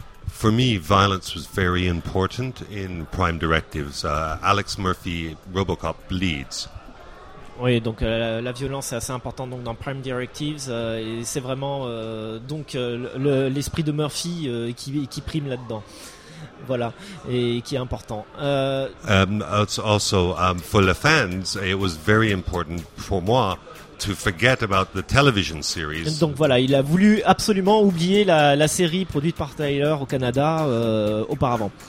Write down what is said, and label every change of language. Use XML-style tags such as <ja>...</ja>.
<en>For me, violence was very important in Prime Directives. Alex Murphy, Robocop bleeds.</en> <fr>Oui, donc la violence est assez importante donc dans Prime Directives, et c'est vraiment l'esprit de Murphy qui prime là-dedans, voilà, et qui est important.</fr> <en>It's also for the fans, it was very important for</en> <fr>moi</fr> <en>to forget about the television series.</en> <fr>Donc voilà, il a voulu absolument oublier la série produite par Tyler au Canada auparavant.</fr>